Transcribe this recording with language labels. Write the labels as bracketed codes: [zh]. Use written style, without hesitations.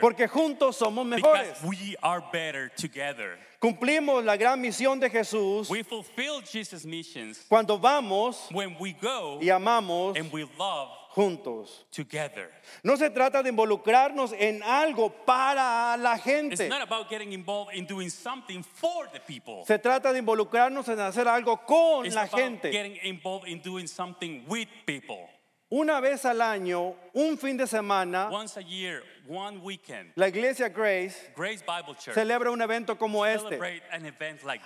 [es] Porque juntos somos mejores. [en] Because we are better together. [es] Cumplimos la gran misión de Jesús. [en] We fulfill Jesus' missions. [es] Cuando vamos, [en] when we go, [es] y amamos, [en] and we love [es] juntos. [en] Together. [es] No se trata de involucrarnos en algo para la gente. [en] It's not about getting involved in doing something for the people. [es] Se trata de involucrarnos en hacer algo con [en] it's [es] la [en] about [es] gente. [en] Getting involved in doing something with people. [es] Una vez al año, un fin de semana, [en] once a year, one weekend, [es] la iglesia Grace, [en] Grace Bible Church, [es] celebra un evento como este. [en] An event like